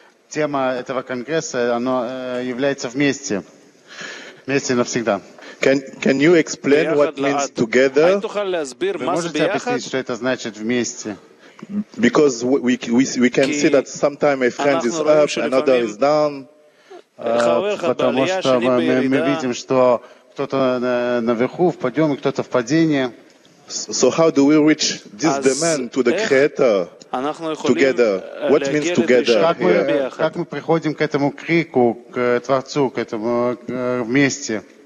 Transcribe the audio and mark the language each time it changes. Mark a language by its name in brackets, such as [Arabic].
[Russian] Тема этого конгресса, оно является вместе. Вместе навсегда. [English] Can you explain what means together? [Russian] Вы можете объяснить, что это значит вместе? [English] Because we can see that sometimes a friend is up, another is down. [Russian] Потому что мы видим, что кто-то наверху в подъеме, кто-то в падении. [English] So how do we reach this demand to the Creator? Together. What means together? [Russian] Как мы приходим к этому крику, к Творцу, к этому вместе?